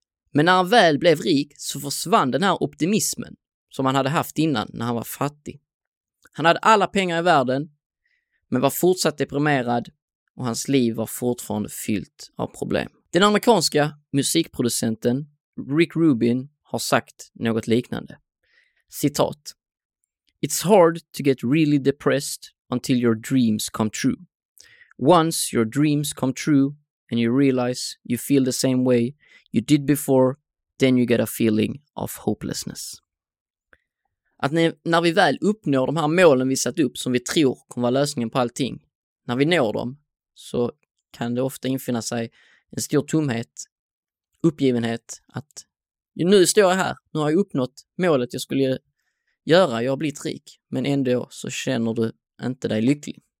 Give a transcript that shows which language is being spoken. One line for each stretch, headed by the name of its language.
Swedish: Men när han väl blev rik så försvann den här optimismen som han hade haft innan när han var fattig. Han hade alla pengar i världen men var fortsatt deprimerad och hans liv var fortfarande fyllt av problem. Den amerikanska musikproducenten Rick Rubin har sagt något liknande.
English: Citat: "It's hard to get really depressed until your dreams come true. Once your dreams come true and you realize you feel the same way you did before, then you get a feeling of hopelessness."
Swedish: Att när vi väl uppnår de här målen vi satt upp som vi tror kommer vara lösningen på allting, när vi når dem så kan det ofta infinna sig en stor tomhet, uppgivenhet, att nu står jag här, nu har jag uppnått målet jag skulle göra, jag har blivit rik, men ändå så känner du inte dig lycklig.